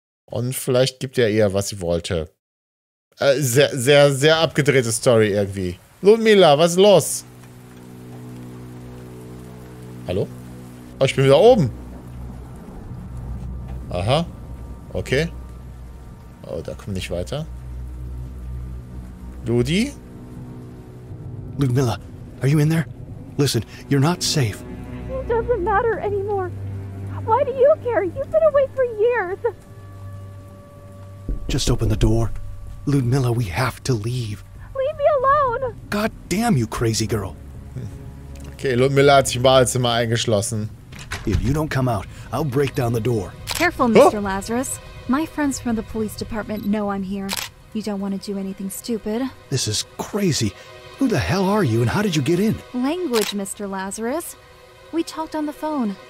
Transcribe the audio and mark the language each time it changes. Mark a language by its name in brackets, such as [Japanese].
[German] Und vielleicht gibt er ihr, was sie wollte. Sehr, sehr, sehr abgedrehte Story irgendwie. Ludmilla, was ist los? Hallo? Oh, ich bin wieder oben. Aha. Okay. Oh, da komme ich nicht weiter. Ludi? [English] Ludmilla, are you in there? Listen, you're not safe. It doesn't matter anymore. Why do you care? You've been away for years. Just open the door. Ludmilla, we have to leave. Leave me alone. God damn you, crazy girl. [German] Okay, Ludmilla hat sich mal ins Zimmer eingeschlossen. [English] If you don't come out, I'll break down the door. Careful, Mr. Lazarus. My friends from the police department know I'm here. You don't want to do anything stupid. This is crazy. Who the hell are you and how did you get in? Language, Mr. Lazarus. We talked on the phone.